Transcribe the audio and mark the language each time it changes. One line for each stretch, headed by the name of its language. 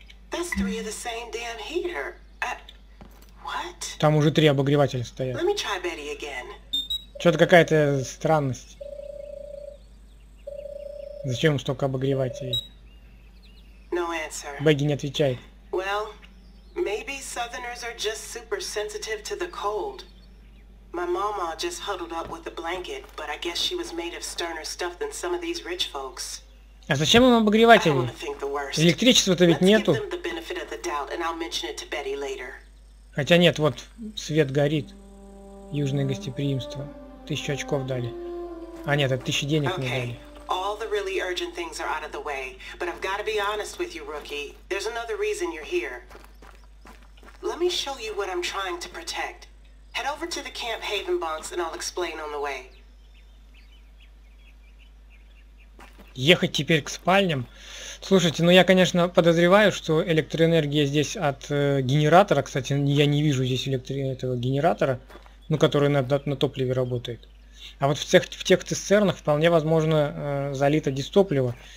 English: That's three of the same damn heater. What?
Russian: Там уже три обогревателя стоят.
English: Let me try Betty again.
Russian: Что-то какая-то странность. Зачем столько обогревателей?
English: No answer.
Russian: Бегги не отвечает.
English: Well, maybe southerners are just super sensitive to the cold. My mama just huddled up with a blanket, but I guess she was made of sterner stuff than some of these rich folks.
Russian: А зачем им обогреватели?
English: I don't want to think the worst.
Russian: Электричества-то ведь
English: Let's
Russian: нету.
English: Give them the benefit of the doubt, and I'll mention it to Betty later.
Russian: Хотя нет, вот свет горит. Южное гостеприимство. 1000 очков дали. А нет, это 1000 денег
English: okay.
Russian: мне дали.
English: All the really urgent things are out of the way, but I've got to be honest with you, rookie. There's another reason you're here. Let me show you what I'm trying to protect. Head over to the Camp Haven Bunks, and I'll explain on the way.
Russian: Ехать теперь к спальням. Слушайте, ну я, конечно, подозреваю, что электроэнергия здесь от генератора. Кстати, я не вижу здесь этого генератора, ну, который на топливе работает. А вот в тех цистернах вполне возможно залито дистопливо.